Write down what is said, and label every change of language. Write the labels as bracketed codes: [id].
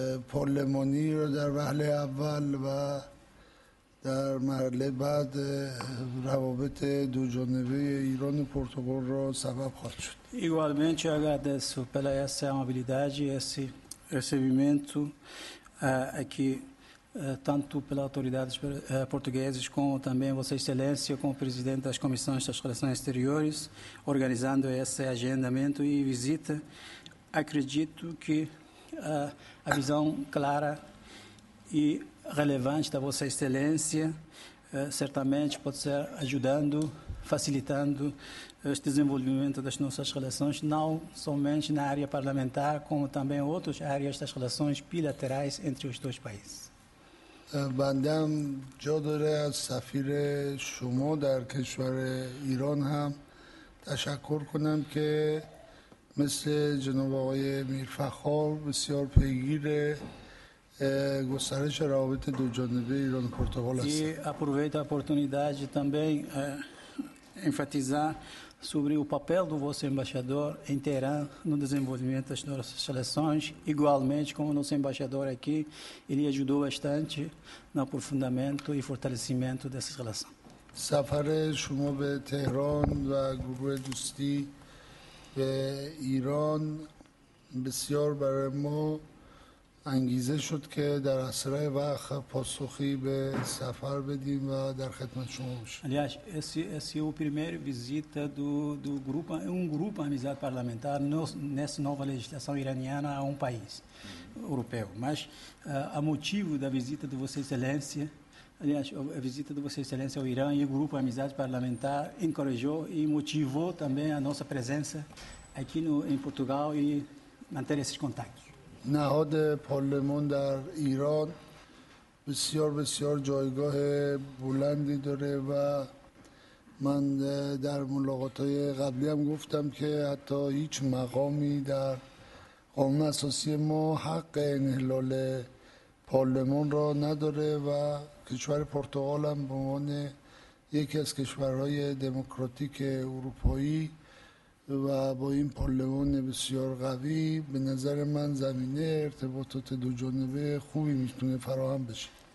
[fa] پارلمانی را در مرحله اول و در مرحله بعد روابط دو جانبه ایران و پرتغال را سبب خواهد شد. [pt] Igualmente agradeço pela essa amabilidade e esse recebimento aqui tanto pelas autoridades portuguesas como também Vossa Excelência, como Presidente das Comissões das Relações Exteriores, organizando esse agendamento e visita, acredito que a visão clara e relevante da Vossa Excelência certamente pode ser ajudando, facilitando este desenvolvimento das nossas relações, não somente na área parlamentar, como também outras áreas das relações bilaterais entre os dois países. [fa] بنده هم جا داره از سفیر شما در کشور ایران هم تشکر کنم که مثل جناب آقای میرفخار بسیار پیگیر گسترش روابط دو جانبه ایران و پرتغال هستند. [pt] E aproveito a oportunidade também enfatizar sobre o papel do vosso embaixador em Teherã no desenvolvimento das nossas seleções, igualmente como o nosso embaixador aqui, ele ajudou bastante no aprofundamento e fortalecimento dessa relação. [fa] سفر شما به تهران و گروه دوستی به ایران بسیار برای ما انگیزه شد که در اسرع وقت پاسخی به سفر بدیم و در خدمت شما باشیم. [pt] Aliás, esse é o primeiro visita do grupo, um grupo amizade parlamentar nessa nova legislação iraniana a um país europeu. Mas a motivo da visita de Vossa Excelência, aliás, a visita de Vossa Excelência ao Irã e o grupo amizade parlamentar encorajou e motivou também a nossa presença aqui em Portugal e manter esses contactos. [fa] نهاد پارلمان در ایران بسیار بسیار جایگاه بلندی داره و من در ملاقات‌های قبلی هم گفتم که حتی هیچ مقامی در قانون اساسی ما حق انحلال پارلمان را نداره و کشور پرتغال هم به عنوان یکی از کشورهای دموکراتیک اروپایی و با این پارلمان بسیار قوی به نظر من زمینه ارتباطات دو جانبه خوبی میتونه فراهم بشه.